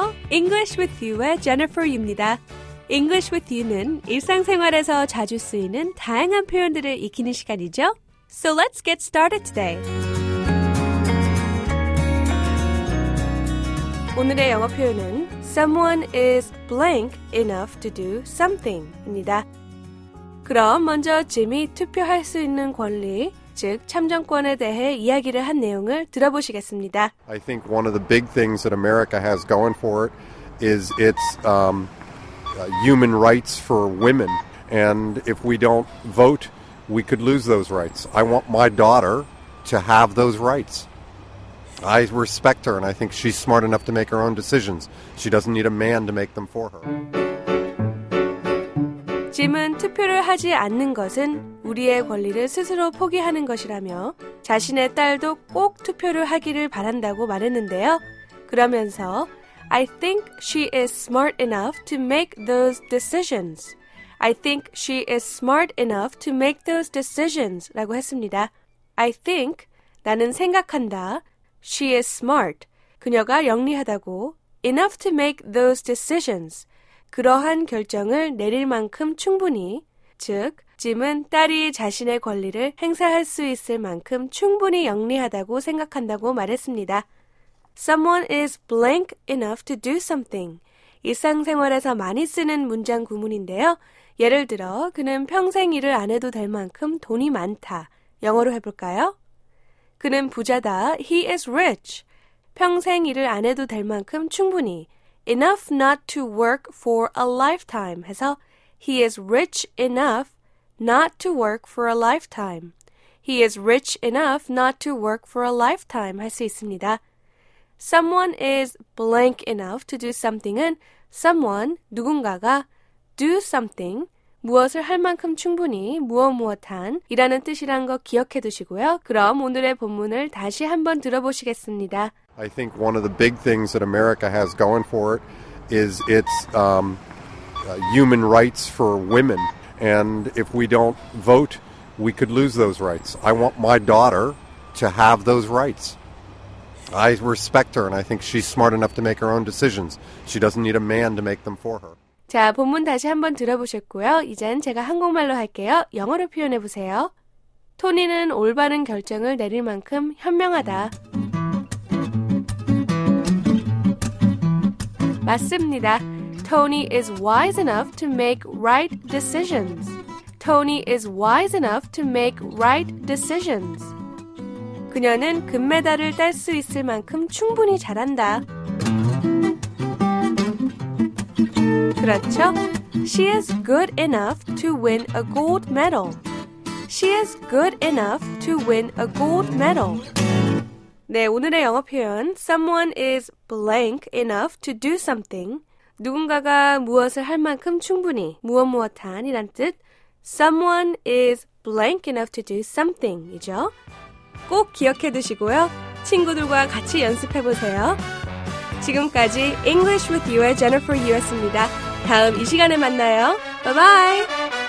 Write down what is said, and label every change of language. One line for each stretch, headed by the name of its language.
Korean: English with you의 Jennifer입니다. English with you는 일상생활에서 자주 쓰이는 다양한 표현들을 익히는 시간이죠.
English: So let's get started today.
Korean: 오늘의 영어 표현은
English: someone is blank enough to do something입니다.
Korean: 그럼 먼저 짐이 투표할 수 있는 권리, 즉 참정권에 대해 이야기를 한 내용을 들어보시겠습니다.
English: I think one of the big things that America has going for it is its human rights for women. And if we don't vote, we could lose those rights. I want my daughter to have those rights. I respect her, and I think she's smart enough to make her own decisions. She doesn't need a man to make them for her.
Korean: 짐은 투표를 하지 않는 것은 우리의 권리를 스스로 포기하는 것이라며 자신의 딸도 꼭 투표를 하기를 바란다고 말했는데요. 그러면서
English: I think she is smart enough to make those decisions. I think she is smart enough to make those decisions
Korean: 라고 했습니다.
English: I think
Korean: 나는 생각한다.
English: She is smart.
Korean: 그녀가 영리하다고.
English: Enough to make those decisions.
Korean: 그러한 결정을 내릴 만큼 충분히, 즉, 짐은 딸이 자신의 권리를 행사할 수 있을 만큼 충분히 영리하다고 생각한다고 말했습니다.
English: Someone is blank enough to do something.
Korean: 일상생활에서 많이 쓰는 문장 구문인데요. 예를 들어, 그는 평생 일을 안 해도 될 만큼 돈이 많다. 영어로 해볼까요? 그는 부자다.
English: He is rich.
Korean: 평생 일을 안 해도 될 만큼 충분히.
English: Enough not to work for a lifetime.
Korean: 해서
English: He is rich enough not to work for a lifetime. He is rich enough not to work for a lifetime.
Korean: 할 수 있습니다.
English: Someone is blank enough to do something은
Korean: someone, 누군가가 do something, 무엇을 할 만큼 충분히, 무엇무엇한 이라는 뜻이란 거 기억해 두시고요. 그럼 오늘의 본문을 다시 한번 들어보시겠습니다.
English: I think one of the big things that America has going for it is its human rights for women. And if we don't vote, we could lose those rights. I want my daughter to have those rights. I respect her, and I think she's smart enough to make her own decisions. She doesn't need a man to make them for her.
Korean: 자, 본문 다시 한번 들어보셨고요. 이젠 제가 한국말로 할게요. 영어로 표현해 보세요. 토니는 올바른 결정을 내릴 만큼 현명하다. 맞습니다.
English: Tony is wise enough to make right decisions. Tony is wise enough to make right decisions.
Korean: 그녀는 금메달을 딸 수 있을 만큼 충분히 잘한다. 그렇죠?
English: She is good enough to win a gold medal. She is good enough to win a gold medal.
Korean: 네, 오늘의 영어 표현
English: someone is blank enough to do something.
Korean: 누군가가 무엇을 할 만큼 충분히 무엇무엇한 이란 뜻
English: someone is blank enough to do something이죠.
Korean: 꼭 기억해 두시고요. 친구들과 같이 연습해 보세요. 지금까지 English with you의 Jennifer U였습니다. 다음 이 시간에 만나요.
English: Bye-bye!